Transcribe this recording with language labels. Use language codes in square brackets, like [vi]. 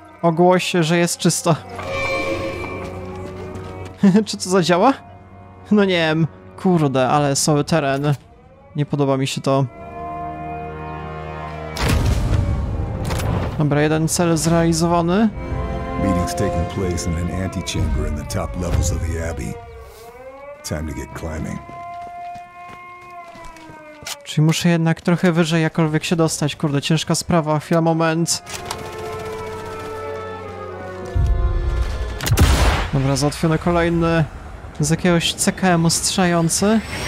[pl] Ogłoś, że jest czysto. Czy to zadziała? No nie wiem. Kurde, ale sobie teren. Nie podoba mi się to. Dobra, jeden cel zrealizowany. [en] Meeting's taking place in an antechamber in the top levels of the abbey. Time to get climbing. [pl] Czyli muszę jednak trochę wyżej jakkolwiek się dostać. Kurde, ciężka sprawa. Chwila, moment. Dobra, załatwiony kolejny z jakiegoś CKM-u strzający.